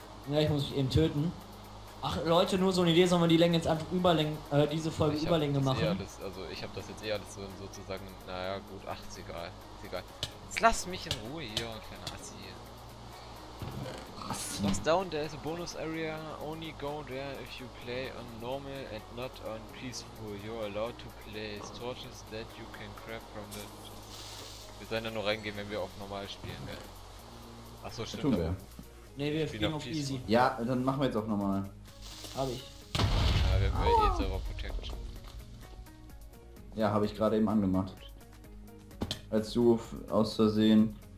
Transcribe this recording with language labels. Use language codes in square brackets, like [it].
[de] Ja, ich muss mich eben töten. Ach Leute, nur so eine Idee, sollen wir die Länge jetzt einfach diese Folge Überlänge machen? Ich hab das jetzt eher alles so sozusagen, naja gut, ach ist egal. Ist egal. Jetzt lass mich in Ruhe hier, kleiner Assi. [en] Was down there is a bonus area. Only go there if you play on normal and not on peaceful. You're allowed to place torches that you can grab from the. [de] Wir sollen ja nur reingehen, wenn wir auf normal spielen, gell? Achso, stimmt. Tun wir. Nee, wir spielen auf easy. [en] Food. [de] Ja, dann machen wir jetzt auf normal. Hab ich. Ja, wir haben ja eh Server Protection. Ja, hab ich gerade eben angemacht. Als du aus Versehen.